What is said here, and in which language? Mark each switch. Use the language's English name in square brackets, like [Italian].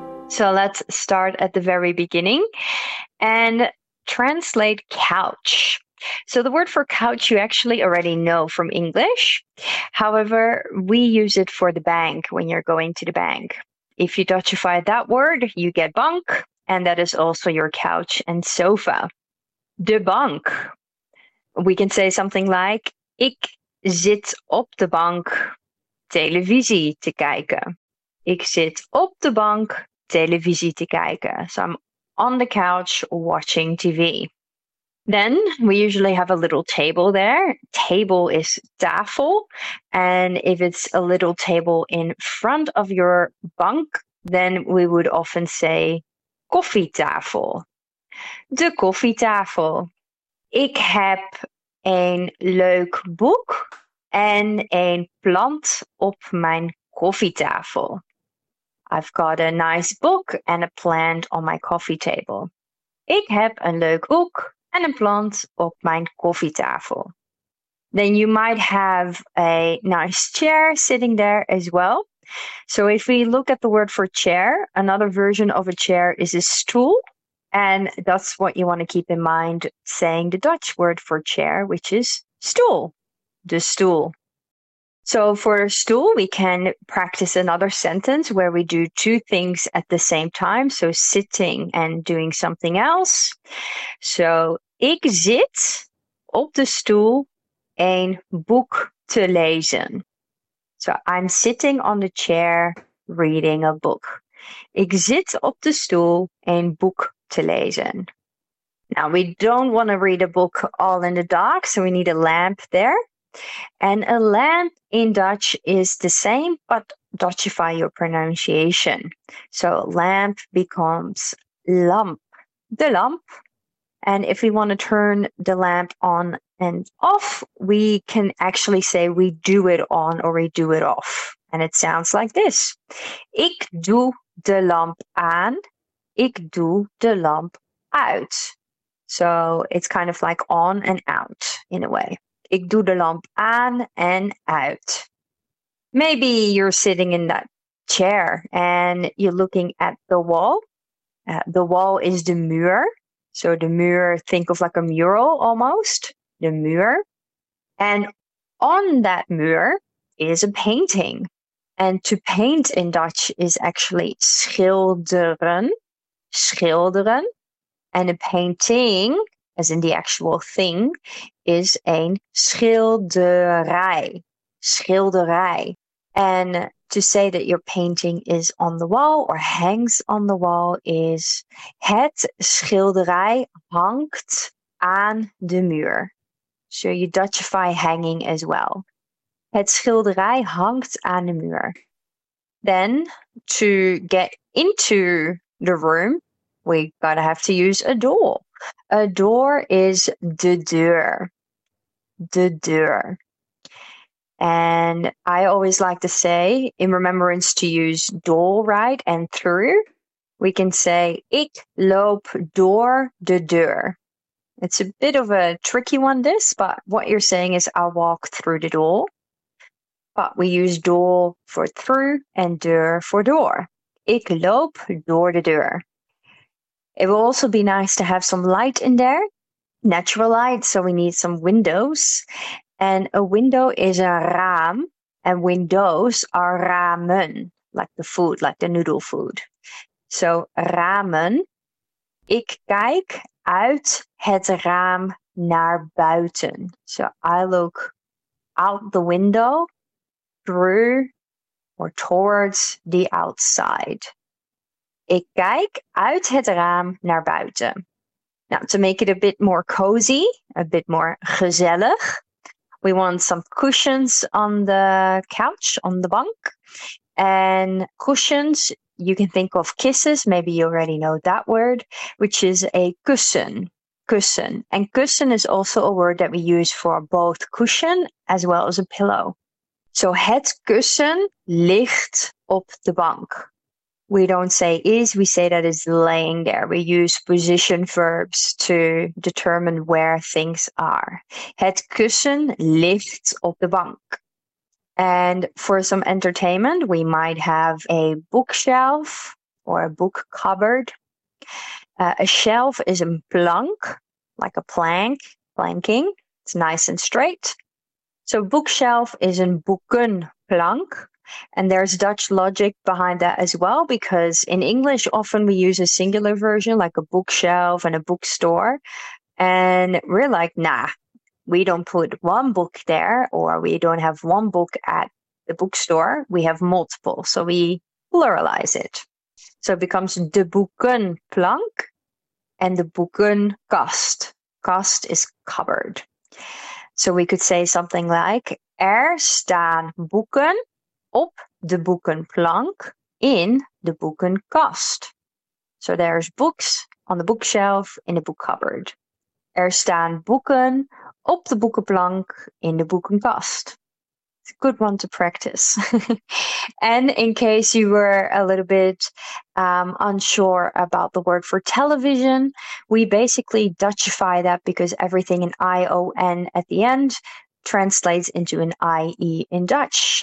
[English] So let's start at the very beginning and translate couch. So the word for couch you actually already know from English. However, we use it for the bank when you're going to the bank. If you Dutchify that word, you get bunk, and that is also your couch and sofa. [Dutch] De bank. [English] We can say something like, [Dutch] ik zit op de bank televisie te kijken. Ik zit op de bank televisie te kijken. [English] So I'm on the couch watching TV. Then we usually have a little table there. Table is tafel. And if it's a little table in front of your bunk, then we would often say koffietafel. [Dutch] De koffietafel. Ik heb een leuk boek en een plant op mijn koffietafel. [English] I've got a nice book and a plant on my coffee table. [Dutch] Ik heb een leuk boek. En een plant op mijn koffietafel. [English] Then you might have a nice chair sitting there as well. So if we look at the word for chair, another version of a chair is a stoel. And that's what you want to keep in mind saying the Dutch word for chair, which is stoel. De stoel. So for a stoel, we can practice another sentence where we do two things at the same time. So sitting and doing something else. [Dutch] So ik zit op de stoel een boek te lezen. [English] So I'm sitting on the chair reading a book. [Dutch] Ik zit op de stoel een boek te lezen. [English] Now we don't want to read a book all in the dark, so we need a lamp there. And a lamp in Dutch is the same, but Dutchify your pronunciation. So lamp becomes lamp, de lamp. And if we want to turn the lamp on and off, we can actually say we do it on or we do it off. And it sounds like this. [Dutch] Ik doe de lamp aan. Ik doe de lamp uit. [English] So it's kind of like on and out in a way. [Dutch] Ik doe de lamp aan en uit. [English] Maybe you're sitting in that chair and you're looking at the wall. The wall is the muur. So the muur, think of like a mural almost, the muur. And on that muur is a painting. And to paint in Dutch is actually schilderen, schilderen. And a painting, as in the actual thing, is een schilderij, schilderij. And to say that your painting is on the wall or hangs on the wall is [Dutch] het schilderij hangt aan de muur. [English] So you Dutchify hanging as well. [Dutch] Het schilderij hangt aan de muur. [English] Then to get into the room, we gotta have to use a door. A door is de deur. De deur. And I always like to say, in remembrance to use door right and through, we can say, [Dutch] ik loop door de deur. [English] It's a bit of a tricky one, this, but what you're saying is, I walk through the door. But we use door for through and deur for door. [Dutch] Ik loop door de deur. [English] It will also be nice to have some light in there, natural light, so we need some windows. And a window is a raam, and windows are ramen, like the food, like the noodle food. So, ramen. [Dutch] Ik kijk uit het raam naar buiten. [English] So, I look out the window, through or towards the outside. [Dutch] Ik kijk uit het raam naar buiten. [English] Now, to make it a bit more cozy, a bit more gezellig, we want some cushions on the couch, on the bunk. And cushions, you can think of kisses, maybe you already know that word, which is a kussen, kussen. And kussen is also a word that we use for both cushion as well as a pillow. [Dutch] So het kussen ligt op de bank. [English] We don't say is, we say that is laying there. We use position verbs to determine where things are. [Dutch] Het kussen ligt op de bank. [English] And for some entertainment, we might have a bookshelf or a book cupboard. A shelf is een plank, like a plank, planking. It's nice and straight. So bookshelf is een boekenplank. And there's Dutch logic behind that as well, because in English, often we use a singular version like a bookshelf and a bookstore. And we're like, nah, we don't put one book there, or we don't have one book at the bookstore. We have multiple. So we pluralize it. So it becomes de boekenplank and de boekenkast. Kast is cupboard. So we could say something like, [Dutch] staan boeken op de boekenplank in de boekenkast. [English] So there's books on the bookshelf in the book cupboard. [Dutch] Staan boeken op de boekenplank in de boekenkast. [English] It's a good one to practice. And in case you were a little bit unsure about the word for television, we basically Dutchify that because everything in I-O-N at the end translates into an I-E in Dutch.